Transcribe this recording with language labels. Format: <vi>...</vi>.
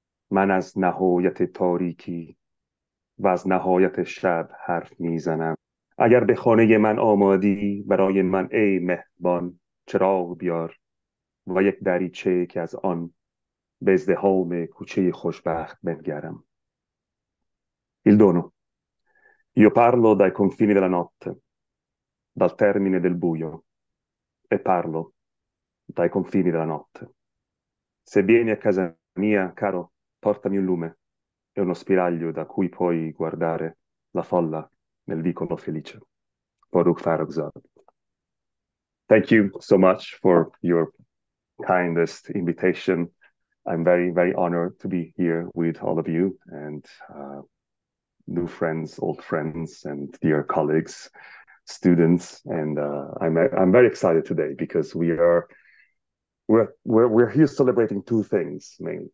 <fa>من از نهایت تاریکی و از نهایت شب حرف میزنم. اگر به خانه من آمادی برای من ای مهبان چراغ بیار و یک دریچه که از آن به ازدهام کوچه خوشبخت بنگرم.</fa> <it>Il dono. Io parlo dai confini della notte, dal termine del buio, e parlo dai confini della notte. Se vieni a casa mia, caro, portami un lume e uno spiraglio da cui puoi guardare la folla nel vicolo felice. Forugh Farrokhzad.</it> <en>Thank you so much for your kindest invitation. I'm very, very honored to be here with all of you and new friends, old friends, and dear colleagues, students. And I'm very excited today because we're here celebrating two things mainly.</en>